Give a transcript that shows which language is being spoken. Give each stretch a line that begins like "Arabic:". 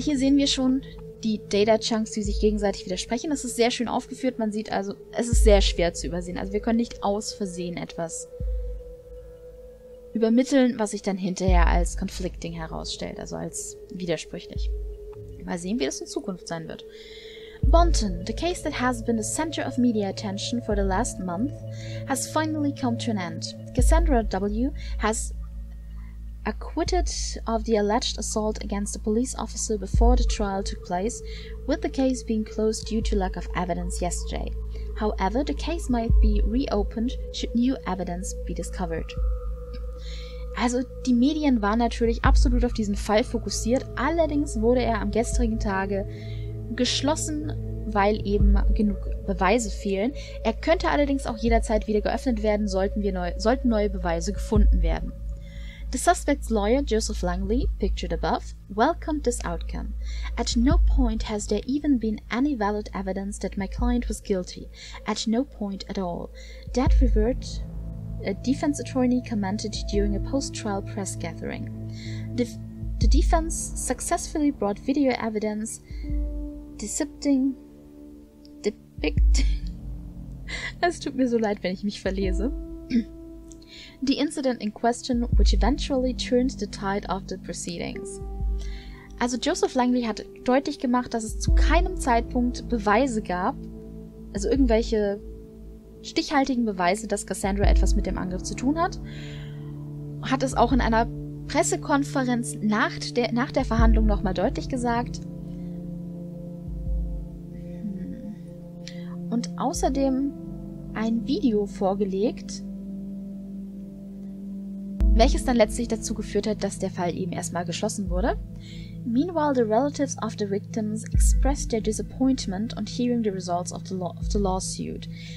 German: Hier sehen wir schon die Data-Chunks, die sich gegenseitig widersprechen. Das ist sehr schön aufgeführt. Man sieht also, es ist sehr schwer zu übersehen. Also wir können nicht aus Versehen etwas übermitteln, was sich dann hinterher als conflicting herausstellt, also als widersprüchlich. Mal sehen, wie das in Zukunft sein wird.
English: Bonten, the case that has been the center of media attention for the last month, has finally come to an end. Cassandra W. has acquitted of the alleged assault against a police officer before the trial took place, with the case being closed due to lack of evidence yesterday. However, the case might be reopened should new evidence be discovered.
German: Also die Medien waren natürlich absolut auf diesen Fall fokussiert, allerdings wurde er am gestrigen Tage geschlossen, weil eben genug Beweise fehlen. Er könnte allerdings auch jederzeit wieder geöffnet werden, sollten neue Beweise gefunden werden.
English: The suspect's lawyer, Joseph Langley, pictured above, welcomed this outcome. At no point has there even been any valid evidence that my client was guilty. At no point at all. That revert, a defense attorney commented during a post-trial press gathering. The defense successfully brought video evidence depicting...
German: Es tut mir so leid, wenn ich mich verlese.
English: The incident in question, which eventually turned the tide of the proceedings.
German: Also Joseph Langley hat deutlich gemacht, dass es zu keinem Zeitpunkt Beweise gab, also irgendwelche stichhaltigen Beweise, dass Cassandra etwas mit dem Angriff zu tun hat. Hat es auch in einer Pressekonferenz nach der Verhandlung nochmal deutlich gesagt. Und außerdem ein Video vorgelegt, welches dann letztlich dazu geführt hat, dass der Fall eben erstmal geschlossen wurde.
English: Meanwhile, the relatives of the victims expressed their disappointment on hearing the results of the lawsuit.